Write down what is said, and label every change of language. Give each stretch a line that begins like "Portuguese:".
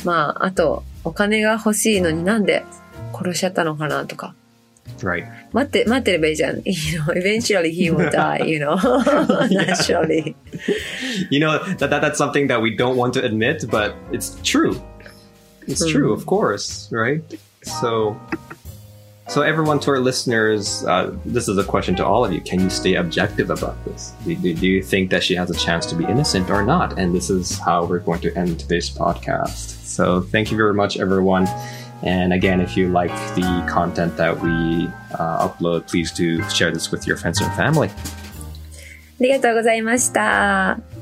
Japanese: まあ、あとお金が欲しいのになんで殺しちゃったのかなとか。
English: Right.
Japanese: 待ってればいいじゃん。
English: You know, eventually he will die, you know. Naturally. You know, that's something that we don't want to admit, but it's true. It's true, of course, right? So everyone, to our listeners, this is a question to all of you. Can you stay objective about this? Do you think that she has a chance to be innocent or not? And this is how we're going to end today's podcast. So thank you very much, everyone. And again, if you like the content that we、upload, please do share this with your friends and family.
Japanese: ありがとうございました。